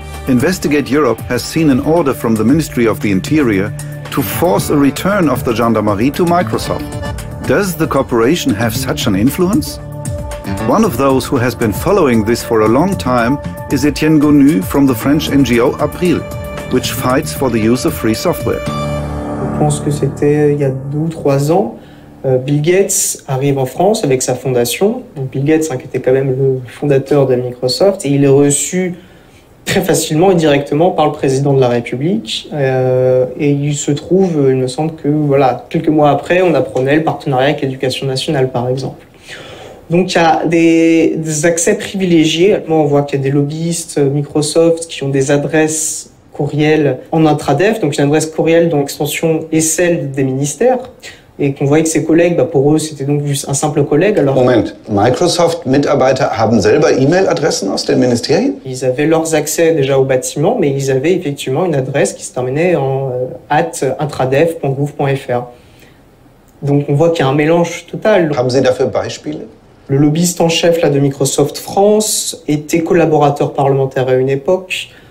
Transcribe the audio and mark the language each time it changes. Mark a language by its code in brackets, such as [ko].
[en] Investigate Europe has seen an order from the Ministry of the Interior to force a return of the Gendarmerie to Microsoft. Does the corporation have such an influence? One of those who has been following this for a long time is Etienne Gonu from the French NGO April, which fights for the use of free software. [fr] Je pense que c'était il y a 2 ou 3 ans, Bill Gates arrive en France avec sa fondation. Donc Bill Gates, qui était quand même le fondateur de Microsoft, et il est reçu très facilement et directement par le président de la République. Et il se trouve, il me semble que voilà, quelques mois après, on apprenait le partenariat avec l'Éducation nationale, par exemple. Donc il y a des accès privilégiés. Moi, on voit qu'il y a des lobbyistes Microsoft qui ont des adresses courriel en intradef, donc une adresse courriel dont l'extension est celle des ministères, et qu'on voyait que ses collègues, bah, pour eux, c'était donc juste un simple collègue. Alors, [de] Moment, Microsoft-Mitarbeiter haben selber E-Mail-Adressen aus den Ministerien? [fr] Ils avaient leurs accès déjà au bâtiment, mais ils avaient effectivement une adresse qui se terminait en @intradef.gouv.fr. Donc on voit qu'il y a un mélange total. [de] Haben Sie dafür Beispiele? [fr] Le lobbyiste en chef là, de Microsoft France était collaborateur parlementaire à une époque.